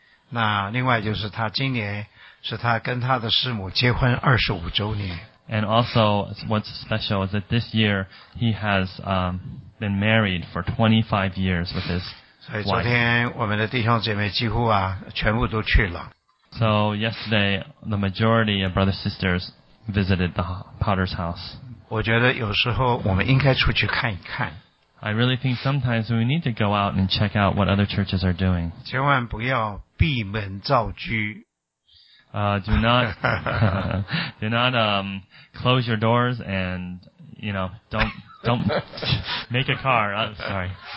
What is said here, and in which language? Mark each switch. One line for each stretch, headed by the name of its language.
Chinese: 那另外就是他今年是他跟他的师母结婚25周年。
English: And also what's special is that this year he has been married for 25 years with his
Chinese: 所以昨天我们的弟兄姐妹几乎啊全部都去了。
English: So yesterday, the majority of brothers and sisters visited the Potter's house.
Chinese: 我觉得有时候我们应该出去看一看。
English: I really think sometimes we need to go out and check out what other churches are doing.
Chinese: 千万不要闭门造车。
English: Do not close your doors and, you know, don't make a car. I'm sorry.